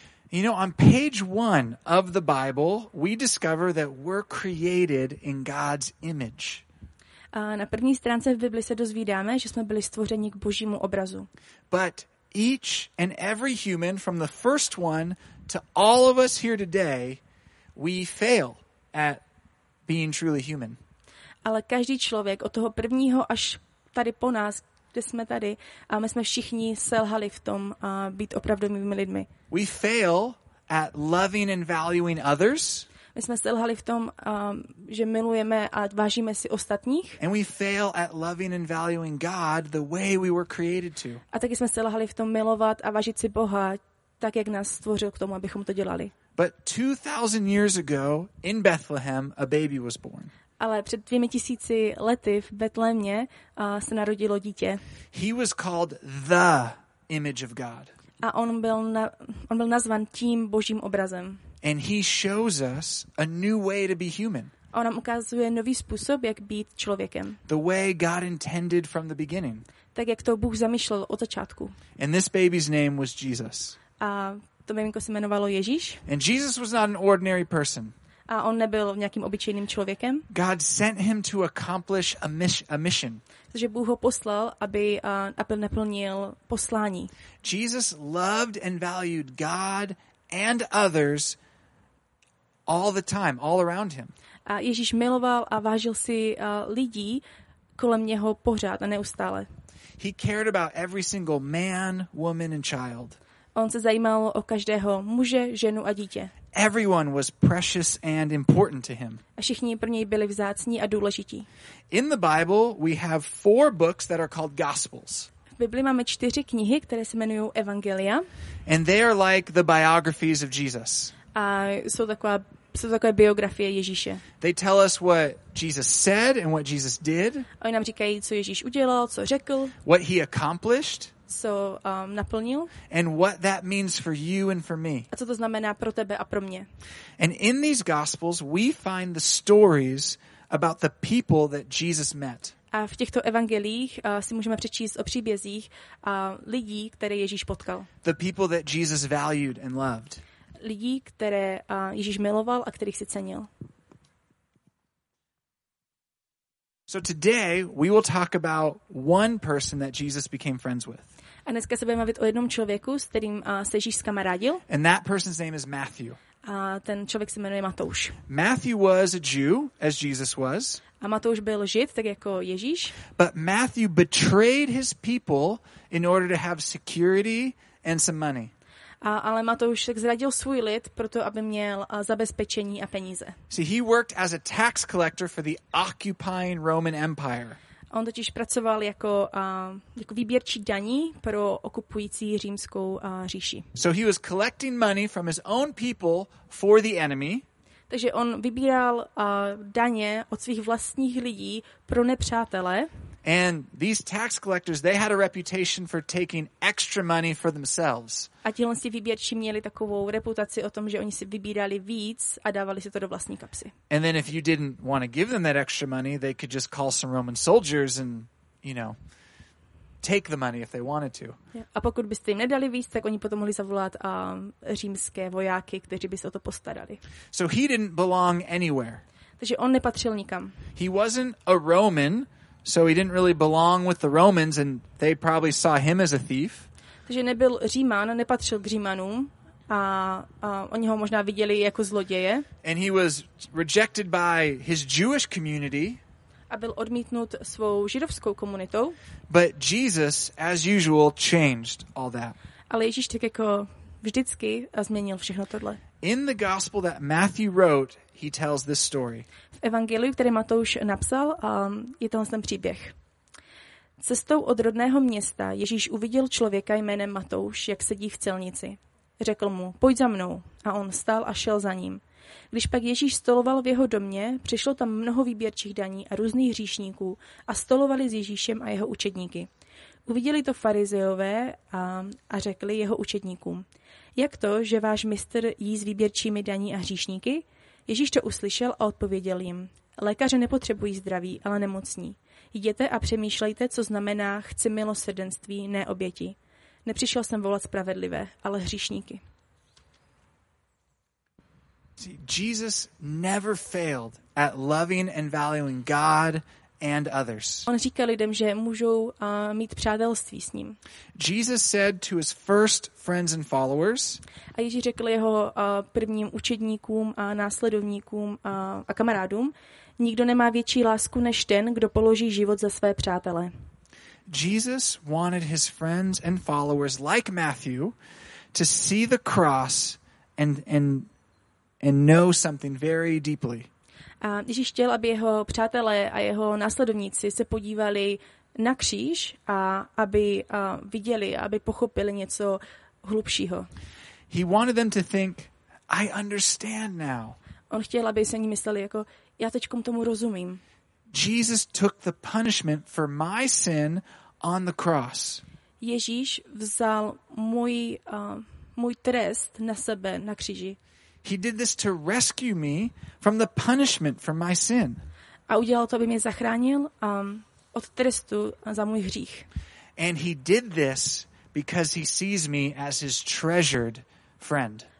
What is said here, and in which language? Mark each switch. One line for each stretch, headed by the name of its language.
English: You know, on page one of the Bible, we discover that we're created in God's image.
Czech: A na první stránce v Bibli se dozvídáme, že jsme byli stvořeni k Božímu obrazu.
English: But each and every human, from the first one to all of us here today, we fail at being truly human.
Czech: Ale každý člověk, od toho prvního až tady po nás, kde jsme tady, a my jsme všichni selhali v tom být opravdovými lidmi.
English: We fail at loving and valuing others.
Czech: My jsme selhali v tom, že milujeme a vážíme si ostatních.
English: And we fail at loving and valuing God the way we were created to.
Czech: A taky jsme selhali v tom milovat a vážit si Boha tak, jak nás stvořil k tomu, abychom to dělali.
English: But 2000 years ago in Bethlehem a baby was born.
Czech: Ale před 2000 lety v Betlémě se narodilo dítě.
English: He was called the image of God.
Czech: A on byl nazvan tím Božím obrazem.
English: And he shows us a new way to be human.
Czech: A on nám ukazuje nový způsob, jak být člověkem.
English: The way God intended from the beginning.
Czech: Tak jak to Bůh zamýšlel od začátku.
English: And this baby's name was Jesus.
Czech: A to miminko se jmenovalo Ježíš.
English: And Jesus was not an ordinary person.
Czech: A on nebyl nějakým obyčejným člověkem.
English: God sent him to accomplish a mission.
Czech: Takže Bůh ho poslal, aby naplnil poslání.
English: Jesus loved and valued God and others all the time, all around him.
Czech: A Ježíš miloval a vážil si lidí kolem něho pořád a neustále.
English: He cared about every single man, woman and child.
Czech: On se zajímal o každého muže, ženu a dítě.
English: Everyone was precious and important to him.
Czech: A všichni pro něj byli vzácní a důležití.
English: In the Bible, we have four books that are called Gospels.
Czech: V Bibli máme čtyři knihy, které se jmenují Evangelia.
English: And they are like the biographies of Jesus.
Czech: A jsou takové biografie Ježíše.
English: They tell us what Jesus said and what Jesus did.
Czech: Oni nám říkají, co Ježíš udělal, co řekl.
English: What he accomplished.
Czech: Co naplnil.
English: And what that means for you and for me.
Czech: A co to znamená pro tebe a pro mě.
English: And in these gospels we find the stories about the people that Jesus met.
Czech: A v těchto evangeliích si můžeme přečíst o příbězích lidí, které Ježíš potkal.
English: The people that Jesus valued and loved.
Czech: Lidí, které Ježíš miloval a kterých si cenil.
English: So today we will talk about one person that Jesus became friends with.
Czech: A dneska se budeme bavit o jednom člověku, s kterým se Ježíš skamarádil.
English: And that person's name is Matthew.
Czech: A ten člověk se jmenuje Matouš.
English: Matthew was a Jew, as Jesus was.
Czech: A Matouš byl Žid, tak jako Ježíš.
English: But Matthew betrayed his people in order to have security and some money.
Czech: Ale Matouš tak zradil svůj lid, proto aby měl zabezpečení a peníze.
English: See, he worked as a tax collector for the occupying Roman Empire.
Czech: On totiž pracoval jako výběrčí daní pro okupující římskou říši.
English: So he was collecting money from his own people for the enemy.
Czech: Takže on vybíral daně od svých vlastních lidí pro nepřátele.
English: And these tax collectors, they had a reputation for taking extra money for themselves.
Czech: A tihle si výběrčí měli takovou reputaci o tom, že oni si vybírali víc a dávali si to do vlastní kapsy.
English: And then if you didn't want to give them that extra money, they could just call some Roman soldiers and, you know, take the money if they wanted to.
Czech: A pokud byste jim nedali víc, tak oni potom mohli zavolat římské vojáky, kteří by se o to postarali.
English: So he didn't belong anywhere.
Czech: Takže on nepatřil nikam.
English: He wasn't a Roman, so he didn't really belong with the Romans and they probably saw him as a thief.
Czech: Takže nebyl Říman, nepatřil k Římanům a oni ho možná viděli jako zloděje.
English: And he was rejected by his Jewish community.
Czech: A byl odmítnut svou židovskou komunitou.
English: But Jesus, as usual, changed all that.
Czech: Ale Ježíš tak jako vždycky změnil všechno tohle.
English: In the gospel that Matthew wrote, he tells this story.
Czech: V evangeliu, které Matouš napsal, je tohle ten příběh. Cestou od rodného města Ježíš uviděl člověka jménem Matouš, jak sedí v celnici. Řekl mu, pojď za mnou. A on stál a šel za ním. Když pak Ježíš stoloval v jeho domě, přišlo tam mnoho výběrčích daní a různých hříšníků a stolovali s Ježíšem a jeho učedníky. Uviděli to farizejové a řekli jeho učedníkům, jak to, že váš mistr jí s výběrčími daní a hříšníky? Ježíš to uslyšel a odpověděl jim, lékaře nepotřebují zdraví, ale nemocní. Jděte a přemýšlejte, co znamená chci milosrdenství, ne oběti. Nepřišel jsem volat spravedlivé, ale hříšníky.
English: Jesus never failed at loving and valuing God and others.
Czech: On říkal lidem, že můžou mít přátelství s ním.
English: Jesus said to his first friends and followers.
Czech: A Ježíš řekl jeho prvním učedníkům a následovníkům a kamarádům, nikdo nemá větší lásku než ten, kdo položí život za své přátele.
English: Jesus wanted his friends and followers like Matthew to see the cross and know something very deeply.
Czech: A Ježíš chtěl, aby jeho přátelé a jeho následovníci se podívali na kříž a aby viděli, aby pochopili něco hlubšího.
English: He wanted them to think, I understand now.
Czech: On chtěl, aby se ní mysleli jako, já teďkom tomu rozumím.
English: Jesus took the punishment for my sin on the cross.
Czech: Ježíš vzal můj trest na sebe na kříži.
English: He did this to rescue me from the punishment for my sin.
Czech: A udělal to, aby mě zachránil od trestu za můj hřích.
English: And he did this because he sees me as his treasured friend.